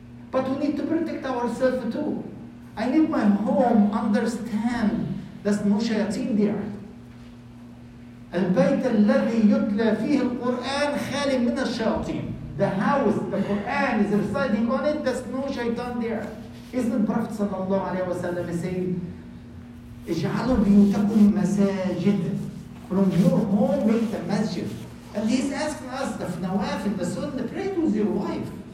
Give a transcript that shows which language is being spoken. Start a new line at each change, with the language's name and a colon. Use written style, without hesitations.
English: But we need to protect ourselves too. I need my home understand there's no shayateen there.
Arabic: البيت الذي يتلى فيه القرآن خالي من الشياطين.
English: The house, the Quran is residing on it, there's no shaitan there. Isn't Prophet sallallahu alayhi wa sallam saying,
Arabic: اجعلوا بيوتكم مساجد.
English: From your home, make the masjid. And he's asking us, the nawaf in the sunnah, pray with your wife.